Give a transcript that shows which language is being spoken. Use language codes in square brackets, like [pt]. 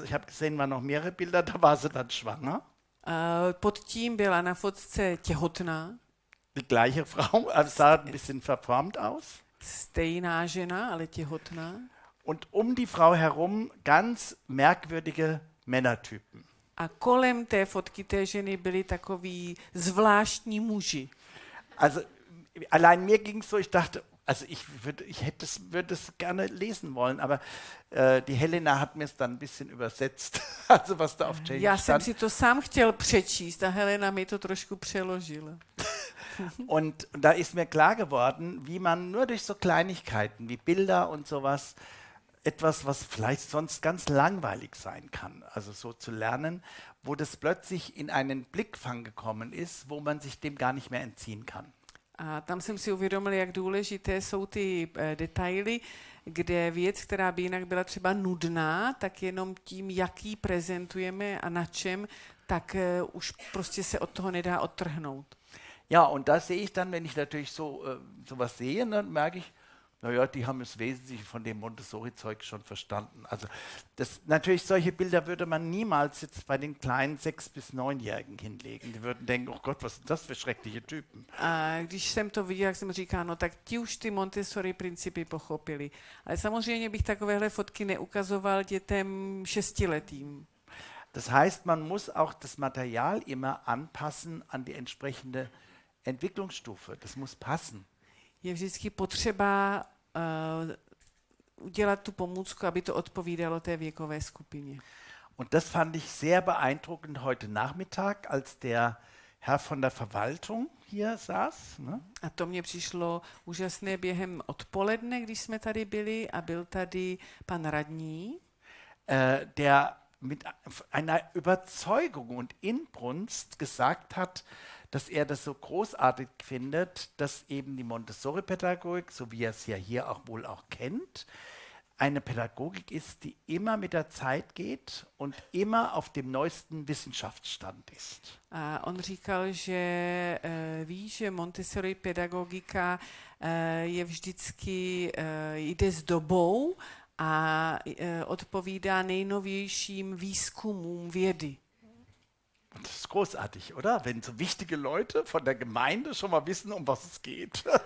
[de] Ich habe gesehen, waren noch mehrere Bilder, da war sie dann schwanger. [cs] Pod tím byla na fotce těhotná. [de] Die gleiche Frau, also sah ein bisschen verformt aus. [cs] Stejná žena, ale těhotná. [de] Und um die Frau herum ganz merkwürdige Männertypen. [cs] A kolem té fotky té ženy byli takoví zvláštní muži. [de] Also allein mir ging so, ich dachte, also ich würde es gerne lesen wollen, aber die Helena hat mir es dann ein bisschen übersetzt. Also was da auf Change. [cs] Já jsem si to sám chtěl přečíst, a Helena mi to trošku přeložila. [de] Und da ist mir klar geworden, wie man nur durch so Kleinigkeiten wie Bilder und sowas etwas, was vielleicht sonst ganz langweilig sein kann, also so zu lernen, wo das plötzlich in einen Blickfang gekommen ist, wo man sich dem gar nicht mehr entziehen kann. [cs] A tam jsem si uvědomil, jak důležité jsou ty detaily, kde věc, která by jinak byla třeba nudná, tak jenom tím, jak ji prezentujeme a na čem, tak už prostě se od toho nedá odtrhnout. [de] Ja, und da sehe ich dann, wenn ich natürlich so sowas sehe, dann merke ich, Naja, die haben das Wesentliche von dem Montessori-Zeug schon verstanden. Also das, natürlich, solche Bilder würde man niemals jetzt bei den kleinen 6- bis 9-Jährigen hinlegen. Die würden denken, oh Gott, was sind das für schreckliche Typen. [cs] A když jsem to viděl, jak jsem říkal, no tak ti už ty Montessori-principy pochopili. Ale samozřejmě bych takovéhle fotky neukazoval dětem 6-letým. [de] Das heißt, man muss auch das Material immer anpassen an die entsprechende Entwicklungsstufe. Das muss passen. [cs] Je vždycky potřeba udělat tu pomůcku, aby to odpovídalo té věkové skupině. [de] Und das fand ich sehr beeindruckend heute Nachmittag, als der Herr von der Verwaltung hier saß. Ne? [cs] A to mně přišlo úžasné během odpoledne, když jsme tady byli a byl tady pan radní. [de] Der mit einer Überzeugung und Inbrunst gesagt hat, dass er das so großartig findet, dass eben die Montessori-Pädagogik, so wie er es ja hier auch wohl auch kennt, eine Pädagogik ist, die immer mit der Zeit geht und immer auf dem neuesten Wissenschaftsstand ist. [cs] A on říkal, že ví, že Montessori-Pädagogika je vždycky jde s dobou a odpovídá nejnovějším výzkumům vědy. [de] Das ist großartig, oder? Wenn so wichtige Leute von der Gemeinde schon mal wissen, um was es geht.